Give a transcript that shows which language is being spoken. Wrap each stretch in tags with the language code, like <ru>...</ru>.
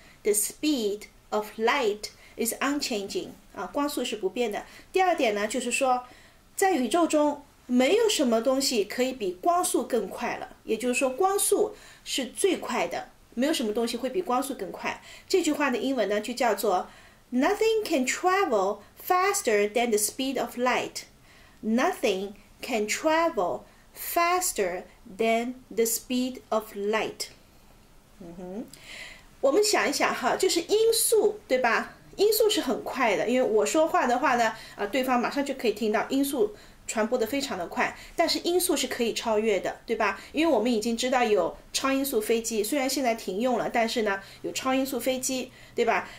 <en>The speed of light is unchanging.</en> <zh>啊，光速是不变的。第二点呢，就是说在宇宙中没有什么东西可以比光速更快了，也就是说光速是最快的。没有什么东西会比光速更快。这句话的英文呢，就叫做</zh> <en>"Nothing can travel faster than the speed of light." Nothing can travel faster than the speed of light.</en> <zh>我们想一想哈，就是音速，对吧？音速是很快的，因为我说话的话呢，对方马上就可以听到音速。传播得非常的快，但是音速是可以超越的，对吧？因为我们已经知道有超音速飞机，虽然现在停用了，但是呢，有超音速飞机，对吧？</zh>